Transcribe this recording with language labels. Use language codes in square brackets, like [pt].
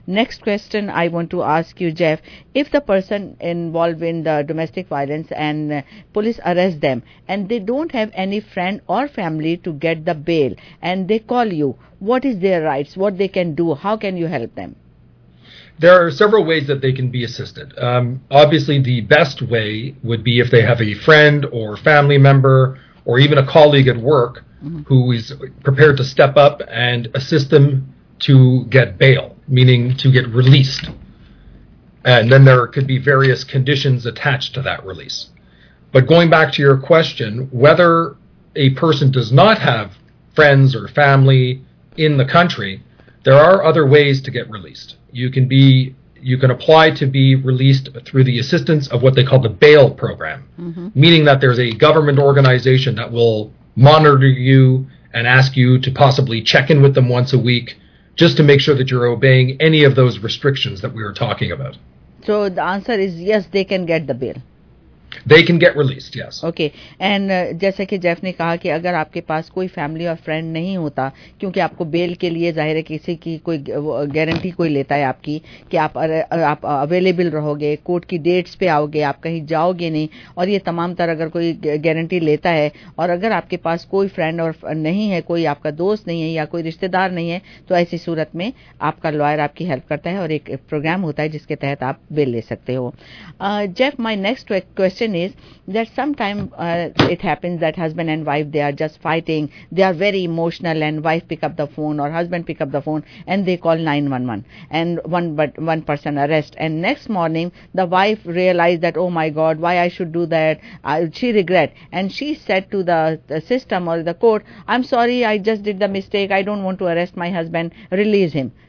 [en] Next question I want to ask you Jeff, if the person involve in the domestic violence and police arrest them and they don't have any friend or family to get the bail and they call you, what is their rights, what they can do, how can you help them? There are several ways that they can be assisted. Obviously, the best way would be if they have a friend or family member or even a colleague at work mm-hmm. who is prepared to step up and assist them to get bail, meaning to get released. And then there could be various conditions attached to that release. But going back to your question, whether a person does not have friends or family in the country, there are other ways to get released. You can apply to be released through the assistance of what they call the bail program, mm-hmm. meaning that there's a government organization that will monitor you and ask you to possibly check in with them once a week just to make sure that you're obeying any of those restrictions that we were talking about. So the answer is yes, they can get the bail. They can get released, yes. Okay, and [hi] जैसे कि Jeff ने कहा कि अगर आपके पास कोई family और friend नहीं होता, क्योंकि आपको बेल के लिए जाहिर है किसी की कोई गारंटी कोई लेता है आपकी कि आप अवेलेबल रहोगे, कोर्ट की डेट्स पे आओगे, आप कहीं जाओगे नहीं, और ये तमाम तरह अगर कोई गारंटी लेता है, और अगर आपके पास कोई फ्रेंड और नहीं है, कोई आपका दोस्त नहीं है या कोई रिश्तेदार नहीं है, तो ऐसी सूरत में आपका लॉयर आपकी हेल्प करता है और एक प्रोग्राम होता है जिसके तहत आप बेल ले सकते हो। [en] Jeff, my next question is that sometimes it happens that husband and wife, they are just fighting, they are very emotional, and wife pick up the phone or husband pick up the phone and they call 911 and one person arrest, and next morning the wife realized that, oh my god, why I should do that, she regret, and she said to the system or the court, I'm sorry, I just did the mistake, I don't want to arrest my husband, release him.